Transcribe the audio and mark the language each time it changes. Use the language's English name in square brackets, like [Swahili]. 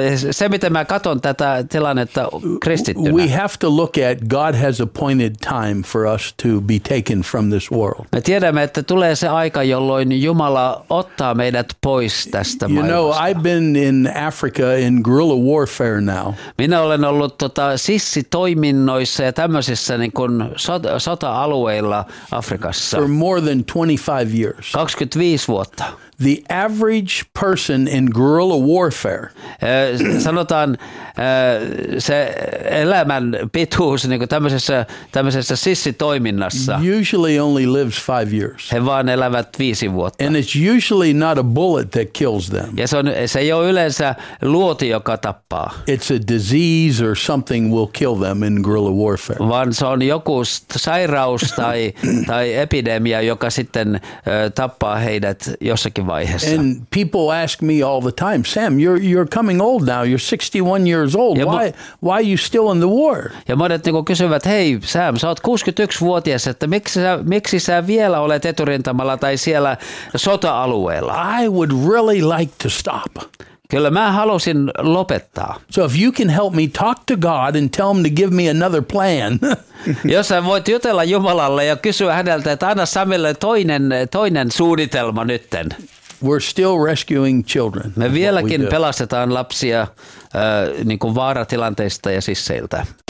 [Finnish] Se, miten mä katson tätä tilannetta kristittynä. [English] We have to look at God has appointed time for us to be taken from this world. [Finnish] Me tiedämme, että tulee se aika, jolloin Jumala ottaa meidät pois tästä maailmasta. [English] You know, I've been in Africa in guerrilla warfare now. [Finnish] Minä olen ollut sissitoiminnoissa ja tämmöisissä niin kuin sota-alueilla Afrikassa. [English] For more than 25 years. [Finnish] 25 vuotta. [English] The average person in guerrilla warfare. [Finnish] Sanotaan se elämän pituus niinku tämmöisessä sissitoiminnassa. [English] Usually only lives 5 years. [Finnish] He vaan elävät 5 vuotta. [English] And it's usually not a bullet that kills them. [Finnish] Ja se ei ole yleensä luoti, joka tappaa. [English] It's a disease or something will kill them in guerrilla warfare. [Finnish] Vaan se on joku sairaus tai epidemia, joka sitten tappaa heidät jossakin vaiheessa. [English] And people ask me all the time, Sam, you're coming old now. You're 61 years old. Why are you still in the war? [Finnish] Ja monet niinku kysyvät, hei Sam, sä oot 61-vuotias, että miksi sä vielä olet eturintamalla tai siellä sota-alueella? [English] I would really like to stop. [Finnish] Kyllä mä halusin lopettaa. [English] So if you can help me talk to God and tell him to give me another plan. [Finnish] Jos sä voit jutella Jumalalle ja kysyä häneltä, että anna Samille toinen suunnitelma nytten. [English] We're still rescuing children. [Finnish] Me vieläkin pelastetaan lapsia niin kuin vaaratilanteista ja sisseiltä.